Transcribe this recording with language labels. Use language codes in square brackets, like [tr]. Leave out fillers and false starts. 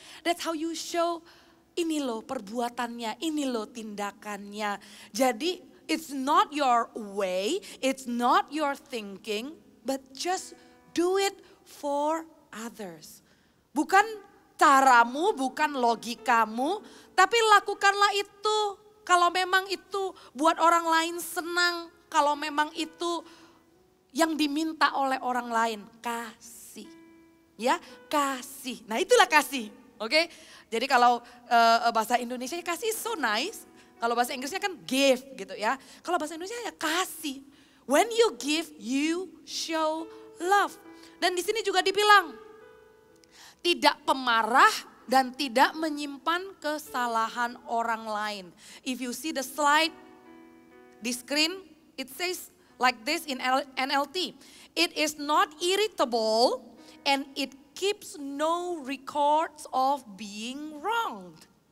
[en] That's how you show, [id] ini loh perbuatannya, ini loh tindakannya. [en] Jadi, it's not your way, it's not your thinking, but just do it for others. [id] Bukan caramu, bukan logikamu, tapi lakukanlah itu. Kalau memang itu buat orang lain senang, kalau memang itu yang diminta oleh orang lain, kasih. Ya, kasih. Nah itulah kasih, oke? Jadi kalau bahasa Indonesia kasih [en] so nice, [id] kalau bahasa Inggrisnya kan give gitu ya. Kalau bahasa Indonesia ya kasih. [en] When you give, you show love. [id] Dan di sini juga dibilang, tidak pemarah dan tidak menyimpan kesalahan orang lain. [en] If you see the slide, the screen, it says like this in NLT. It is not irritable, and it keeps no records of being wronged.